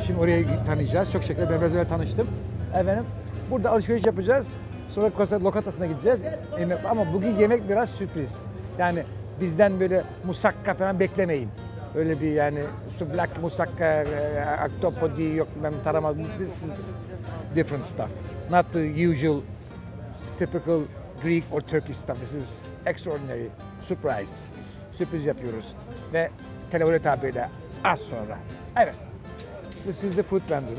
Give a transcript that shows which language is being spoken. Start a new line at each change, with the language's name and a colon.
Turkish: Şimdi oraya tanıyacağız. Çok şükür ben biraz evvel tanıştım. Efendim, burada alışveriş yapacağız. Sonra lokantasına gideceğiz. Ama bugün yemek biraz sürpriz. Yani bizden böyle musakka falan beklemeyin. Öyle bir yani sublak, musakka, octopodi yok, ben taramaz.
English: This is different stuff. Not the usual, typical Greek or Turkish stuff. This is extraordinary surprise.
Turkish: Sürpriz yapıyoruz. Ve Televole tabiriyle az sonra. Evet,
English: this is the food vendor.